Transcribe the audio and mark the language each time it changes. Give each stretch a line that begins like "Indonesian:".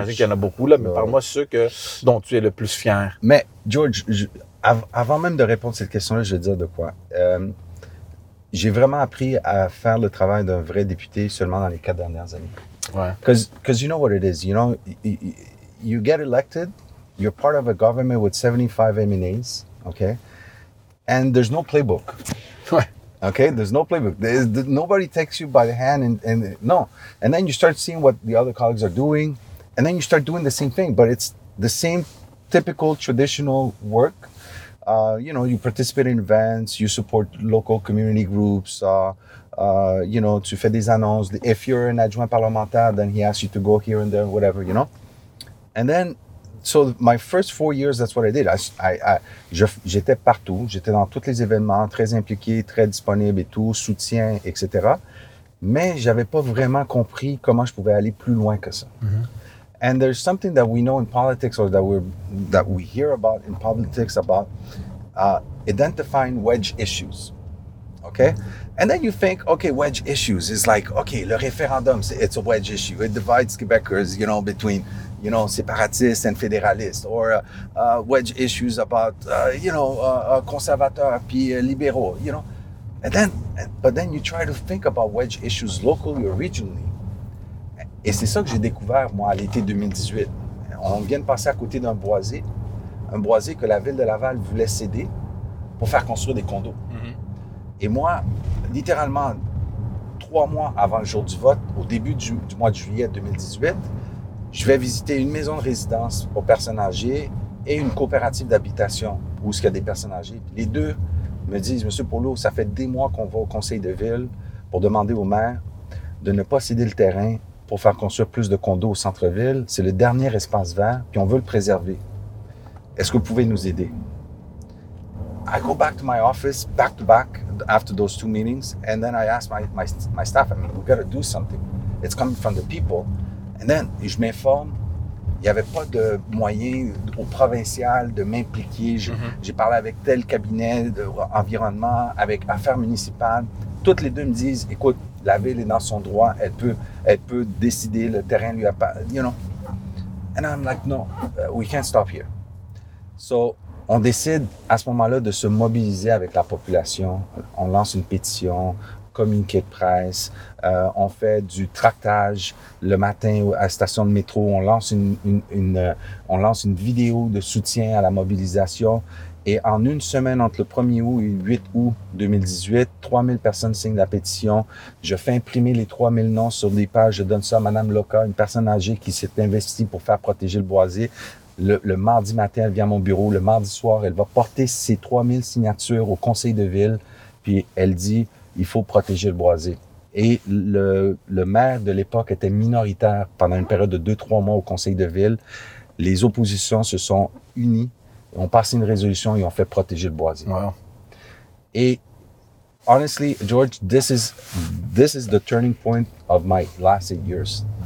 French: j'imagine qu'il y en a beaucoup là, mais parle-moi ceux que dont tu es le plus fier. Mais George, avant même de répondre à cette question-là, je vais dire de quoi. J'ai vraiment appris à faire le travail d'un vrai député seulement dans les 4 dernières années. Ouais.
English: Because you know what it is, you know, you get elected, you're part of a government with 75 MNAs, okay, and there's no playbook. Okay, there's no playbook. Nobody takes you by the hand and and then you start seeing what the other colleagues are doing, and then you start doing the same thing, but it's the same typical traditional work. You know, you participate in events, you support local community groups, you know,
French: tu fais des annonces.
English: If you're an adjoint parlementaire, then he asks you to go here and there, whatever, you know. And then, so my first 4 years, that's what I did.
French: J'étais partout, j'étais dans tous les événements, très impliqué, très disponible et tout, soutien, etc. Mais j'avais pas vraiment compris comment je pouvais aller plus loin que ça. Mm-hmm.
English: And there's something that we know in politics, or that we hear about in politics, about identifying wedge issues. Okay? And then you think, okay, wedge issues is like, okay,
French: le référendum,
English: it's a wedge issue. It divides Quebecers, you know, between, you know, séparatists and fédéralistes, or wedge issues about, you know,
French: conservateurs puis libéraux,
English: you know. But then you try to think about wedge issues locally or regionally.
French: Et c'est ça que j'ai découvert, moi, à l'été 2018. On vient de passer à côté d'un boisé, que la ville de Laval voulait céder pour faire construire des condos. Mm-hmm. Et moi, littéralement, 3 mois avant le jour du vote, au début du mois de juillet 2018, je vais visiter une maison de résidence pour personnes âgées et une coopérative d'habitation où il y a des personnes âgées. Les deux me disent, Monsieur Polo, ça fait des mois qu'on va au conseil de ville pour demander au maire de ne pas céder le terrain pour faire construire plus de condos au centre-ville. C'est le dernier espace vert, puis on veut le préserver. Est-ce que vous pouvez nous aider?
English: I go back to my office, back to back, after those two meetings, and then I ask my staff, I mean, we've got to do something. It's coming from the people. And then,
French: je m'informe, il n'y avait pas de moyen au provincial de m'impliquer. J'ai parlé avec tel cabinet d'environnement, avec affaires municipales. Toutes les deux me disent, écoute, la ville est dans son droit, elle peut décider, le terrain lui appartient, you know.
English: And I'm like, no, we can't stop here.
French: So, on décide à ce moment-là de se mobiliser avec la population. On lance une pétition, communiqué de presse, on fait du tractage le matin à la station de métro, on lance une vidéo de soutien à la mobilisation. Et en une semaine, entre le 1er août et le 8 août 2018, 3000 personnes signent la pétition. Je fais imprimer les 3000 noms sur des pages. Je donne ça à Mme Loca, une personne âgée qui s'est investie pour faire protéger le boisé. Le mardi matin, elle vient à mon bureau. Le mardi soir, elle va porter ses 3000 signatures au conseil de ville. Puis elle dit, il faut protéger le boisé. Et le maire de l'époque était minoritaire pendant une période de 2-3 mois au conseil de ville. Les oppositions se sont unies. On passe une résolution et on fait protéger le boisé.
English: Wow. Et honestly, George, this is the turning point of my last 8 years.